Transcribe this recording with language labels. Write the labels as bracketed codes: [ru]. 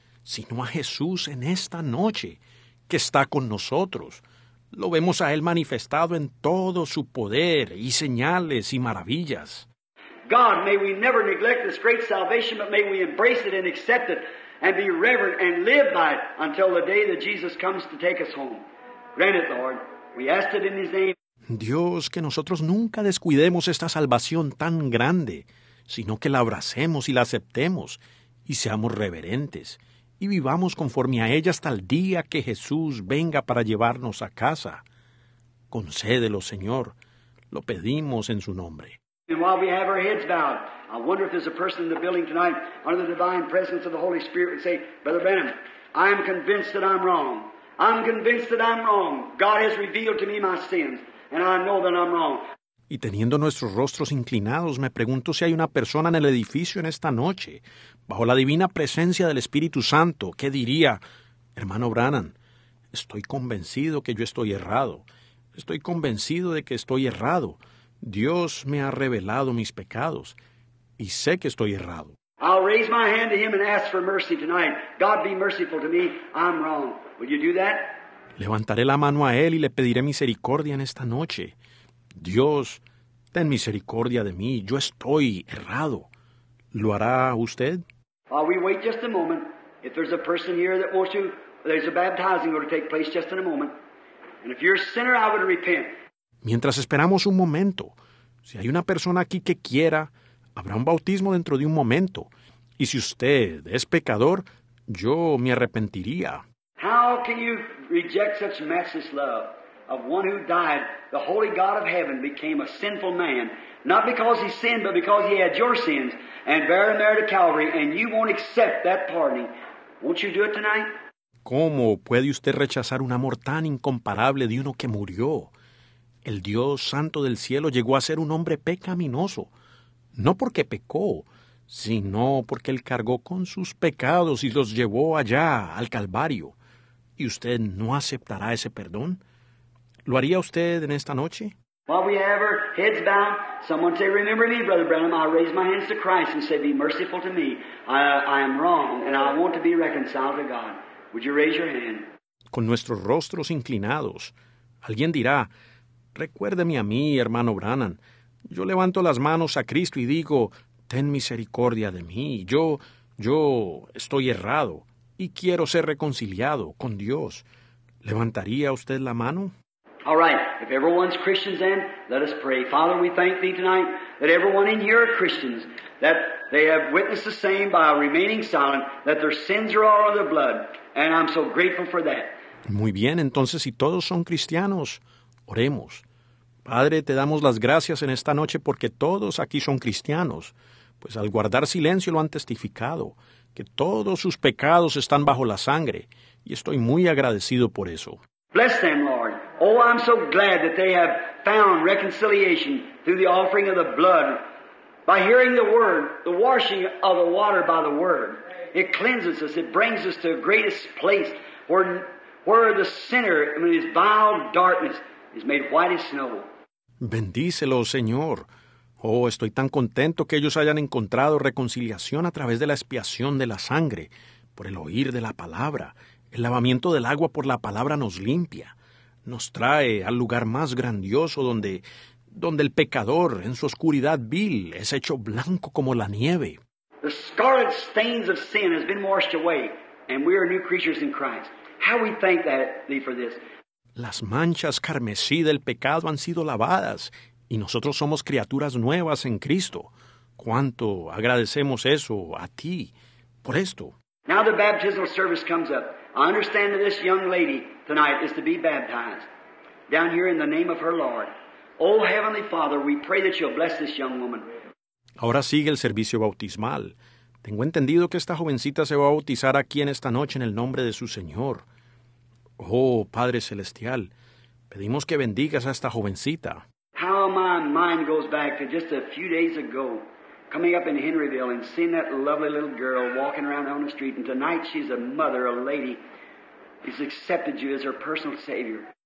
[es] Sino a Jesús en esta noche, que está con nosotros. Lo vemos a él manifestado en todo su poder y señales y maravillas. [en] God, may we never neglect this great salvation, but may we embrace it and accept it and be reverent and live by it until the day that Jesus comes to take us home. Grant it, Lord. We ask it in his name. [es] Dios, que nosotros nunca descuidemos esta salvación tan grande, sino que la abracemos y la aceptemos y seamos reverentes y vivamos conforme a ella hasta el día que Jesús venga para llevarnos a casa. Concédelo, Señor. Lo pedimos en su nombre. [en] And while we have our heads bowed, I wonder if there's a person in the building tonight under the divine presence of the Holy Spirit would say, "Brother Branham, I am convinced that I'm wrong. I'm convinced that I'm wrong. God has revealed to me my sins, and I know that I'm wrong." [es] Y teniendo nuestros rostros inclinados, me pregunto si hay una persona en el edificio en esta noche, bajo la divina presencia del Espíritu Santo, que diría, "Hermano Branham, estoy convencido que yo estoy errado. Estoy convencido de que estoy errado. Dios me ha revelado mis pecados, y sé que estoy errado." [en] I'll raise my hand to him and ask for mercy tonight. God, be merciful to me. I'm wrong. Will you do that? [es] Levantaré la mano a él y le pediré misericordia en esta noche. Dios, ten misericordia de mí. Yo estoy errado. ¿Lo hará usted? [en] While we wait just a moment, if there's a person here that wants to, there's a baptizing going to take place just in a moment. And if you're a sinner, I would repent. [es] Mientras esperamos un momento, si hay una persona aquí que quiera, habrá un bautismo dentro de un momento. Y si usted es pecador, yo me arrepentiría. [en] How can you reject such matchless love of one who died? The holy God of heaven became a sinful man, not because he sinned, but because he had your sins, and bear them there to Calvary, and you won't accept that pardoning. Won't you do it tonight? [es] ¿Cómo puede usted rechazar un amor tan incomparable de uno que murió? El Dios Santo del cielo llegó a ser un hombre pecaminoso, no porque pecó, sino porque él cargó con sus pecados y los llevó allá, al Calvario. ¿Y usted no aceptará ese perdón? ¿Lo haría usted en esta noche? [en] While we have our heads bowed, someone say, "Remember me, Brother Branham." I raise my hands to Christ and say, "Be merciful to me. I am wrong and I want to be reconciled to God." Would you raise your hand? [es] Con nuestros rostros inclinados, alguien dirá, "Recuérdeme a mí, hermano Branham. Yo levanto las manos a Cristo y digo, ten misericordia de mí. Yo estoy errado y quiero ser reconciliado con Dios." ¿Levantaría usted la mano? [en] All right, if everyone's Christians then, let us pray. Father, we thank thee tonight that everyone in here are Christians, that they have witnessed the same by remaining silent, that their sins are all of their blood, and I'm so grateful for that. [es] Muy bien, entonces, si todos son cristianos, oremos. Padre, te damos las gracias en esta noche porque todos aquí son cristianos, pues al guardar silencio lo han testificado, que todos sus pecados están bajo la sangre, y estoy muy agradecido por eso. [en] Bless them, Lord. Oh, I'm so glad that they have found reconciliation through the offering of the blood, by hearing the word, the washing of the water by the word. It cleanses us, it brings us to a greatest place where the sinner in his vile darkness is made white as snow. [es] Bendícelo, Señor. Oh, estoy tan contento que ellos hayan encontrado reconciliación a través de la expiación de la sangre, por el oír de la palabra. El lavamiento del agua por la palabra nos limpia, nos trae al lugar más grandioso donde el pecador en su oscuridad vil es hecho blanco como la nieve. [en] The scarlet stains of sin has been washed away, and we are new creatures in Christ. How we thank thee for this. [es] Las manchas carmesí del pecado han sido lavadas y nosotros somos criaturas nuevas en Cristo. ¿Cuánto agradecemos eso a ti por esto? [en] Now the baptismal service comes up. I understand that this young lady tonight is to be baptized down here in the name of her Lord. Oh, Heavenly Father, we pray that you'll bless this young woman. [es] Ahora sigue el servicio bautismal. Tengo entendido que esta jovencita se va a bautizar aquí en esta noche en el nombre de su Señor. Oh, Padre Celestial, pedimos que bendigas a esta jovencita. [en] How my mind goes back to just a few days ago, coming up in Henryville and seeing that lovely little girl walking around on the street, and tonight she's a mother, a lady, who's accepted you as her personal Savior.